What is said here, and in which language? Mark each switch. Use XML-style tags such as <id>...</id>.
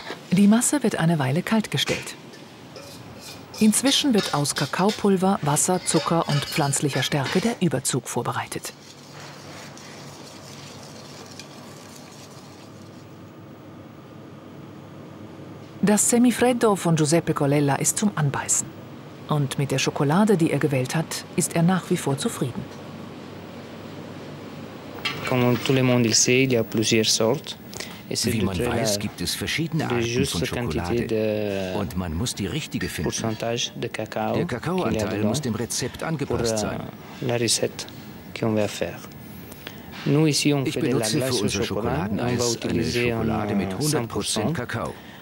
<de>Die Masse wird eine Weile kaltgestellt. Inzwischen wird aus Kakaopulver, Wasser, Zucker und pflanzlicher Stärke der Überzug vorbereitet. Das Semifreddo von Giuseppe Colella ist zum Anbeißen. Und mit der Schokolade, die er gewählt hat, ist er nach wie vor zufrieden.</de> <fr>Comme tout le monde le sait, il y a plusieurs sortes.</fr> <de>Wie man weiß, gibt es verschiedene Arten von Schokolade und man muss die richtige finden. Der Kakaoanteil muss dem Rezept angepasst sein. Ich benutze für unsere Schokoladeneis eine Schokolade mit 100% Kakao.</de>